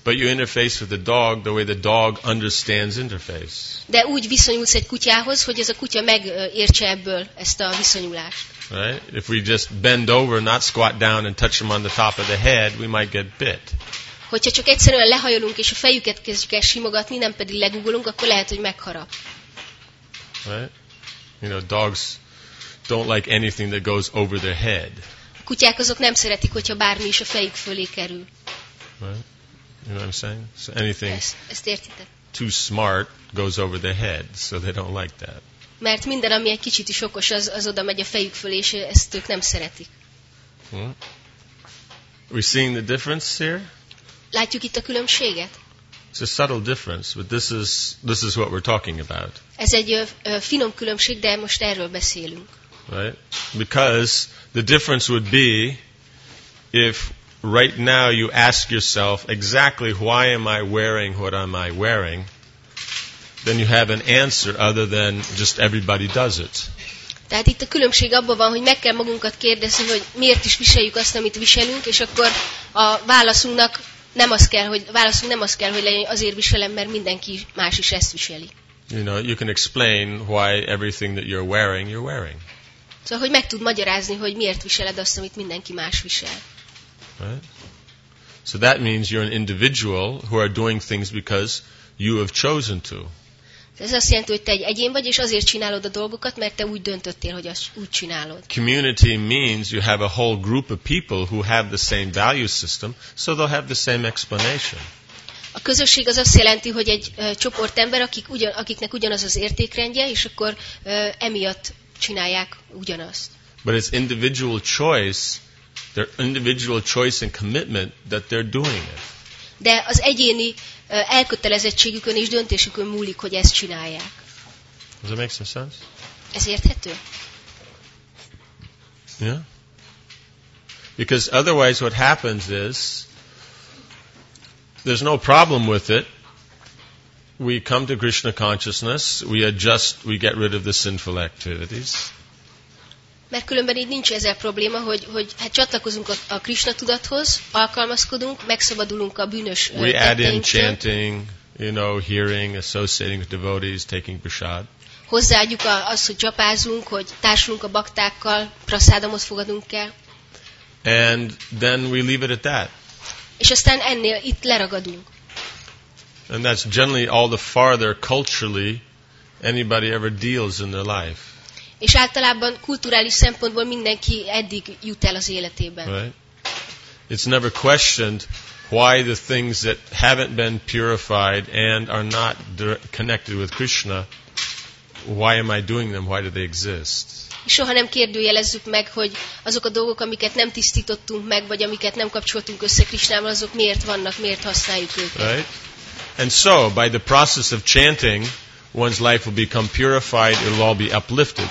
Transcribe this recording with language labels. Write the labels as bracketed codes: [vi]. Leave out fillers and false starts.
[en] But you interface with the dog the way the dog understands interface. [hu] De úgy viszonyulsz egy kutyához, hogy ez a kutya megértse ebből ezt a viszonyulást. [en] Right? If we just bend over, not squat down and touch them on the top of the head, we might get bit. [hu] Hogyha csak egyszerűen lehajolunk és a fejüket kezdjük el simogatni, nem pedig legugolunk, akkor lehet, hogy megharap. [en] Right? You know, dogs don't like anything that goes over their head. [hu] Kutyák azok nem szeretik, hogyha bármi is a fejük fölé kerül. [en] Right? You know what I'm saying? So anything [hu] ezt értitek. [en] Too smart goes over the head, so they don't like that. [hu] Mert minden, ami egy kicsit is okos, az oda megy a fejük fölé, és ezt ők nem szeretik. [en] Are we seeing the difference here? [hu] Látjuk itt a különbséget? [en] It's a subtle difference, but this is what we're talking about. [hu] Ez egy finom különbség, de most erről beszélünk. [en] Right? Because the difference would be if right now you ask yourself exactly why am I wearing what am I wearing, then you have an answer other than just everybody does it. [hu] Tehát itt a különbség abban van, hogy meg kell magunkat kérdezni, hogy miért is viseljük azt, amit viselünk, és akkor a válaszunknak nem az kell, hogy válaszunk nem az kell, hogy legyen, azért viselem, mert mindenki más is ezt viseli. [en] You know, you can explain why everything that you're wearing, you're wearing. [hu] Szóval, hogy meg tud magyarázni, hogy miért viseled azt, amit mindenki más visel. [en] Right. So that means you're an individual who are doing things because you have chosen to. [hu] Ez azt jelenti, hogy te egy egyén vagy, és azért csinálod a dolgokat, mert te úgy döntöttél, hogy azt úgy csinálod. [en] Community means you have a whole group of people who have the same value system, so they'll have the same explanation. [hu] A közösség az azt jelenti, hogy egy csoport ember, akiknek ugyanaz az értékrendje, és akkor emiatt csinálják ugyanazt. [en] But it's individual choice, their individual choice and commitment that they're doing it. [hu] De az egyéni elkötelezettségükön és döntésükön múlik, hogy ezt csinálják. [en] Does that make some sense? [hu] Ez érthető? [en] Yeah. Because otherwise what happens is there's no problem with it. We come to Krishna consciousness, we adjust, we get rid of the sinful activities. [hu] Mert különben így nincs ezzel probléma, hogy hát csatlakozunk a Krishna tudathoz, alkalmazkodunk, megszabadulunk a bűnös tetteinktől. [en] We add in chanting, you know, hearing, associating with devotees, taking prasad. [hu] Hozzáadjuk azt, hogy japázunk, hogy társulunk a baktákkal, prasadamot fogadunk el. [en] And then we leave it at that. [hu] És aztán ennél itt leragadunk. [en] And that's generally all the farther culturally anybody ever deals in their life. [hu] És általában kulturális szempontból mindenki eddig jut el az életében. [en] Right. It's never questioned why the things that haven't been purified and are not connected with Krishna, why am I doing them? Why do they exist? [hu] Soha nem kérdőjelezzük meg, hogy azok a dolgok, amiket nem tisztítottunk meg, vagy amiket nem kapcsoltunk össze Krisnával, azok miért vannak, miért használjuk őket. [en] Right? And so, by the process of chanting, one's life will become purified, it will all be uplifted.